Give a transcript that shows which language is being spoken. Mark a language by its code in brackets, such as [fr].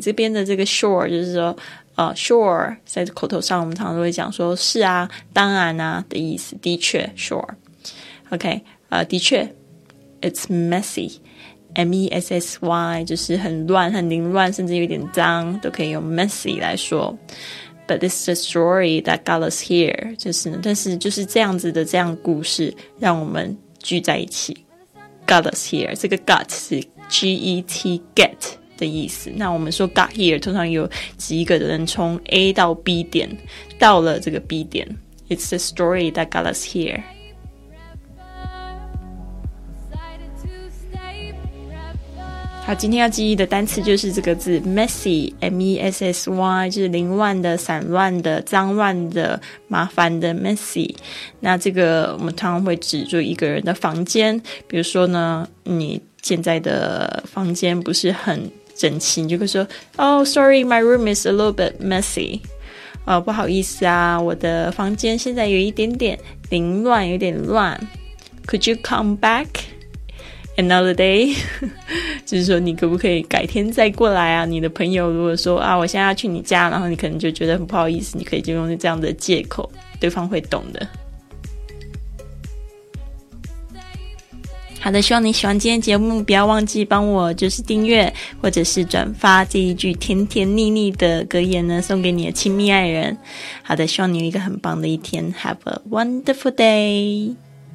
[zh] 这边的这个 sure 就是说sure, 在口头上我们常常都会讲说是啊，当然啊的意思，的确 sure. OK, 的确 it's messy, M-E-S-S-Y, 就是很乱很凌乱，甚至有点脏都可以用 messy 来说。 But this is the story that got us here, 就是但是就是这样子的，这样故事让我们聚在一起， got us here. 这个 got 是 G-E-T, get的意思。那我们说 got here 通常有几个人从 A 到 B 点，到了这个 B 点。 [en] It's the story that got us here. [zh] 好，今天要记忆的单词就是这个字 messy, M-E-S-S-Y, 就是凌乱的、散乱的、脏乱的、麻烦的 messy。那这个我们通常会指就一个人的房间，比如说呢你现在的房间不是很整齐，你就会说 Oh, sorry, my room is a little bit messy. 不好意思啊，我的房间现在有一点点凌乱，有点乱。 [en] Could you come back another day? [zh] 就是说你可不可以改天再过来啊。你的朋友如果说啊，我现在要去你家，然后你可能就觉得很不好意思，你可以就用这样的借口，对方会懂的。好的，希望你喜欢今天节目，不要忘记帮我就是订阅或者是转发这一句甜甜腻腻的格言呢，送给你的亲密爱人。好的，希望你有一个很棒的一天， Have a wonderful day.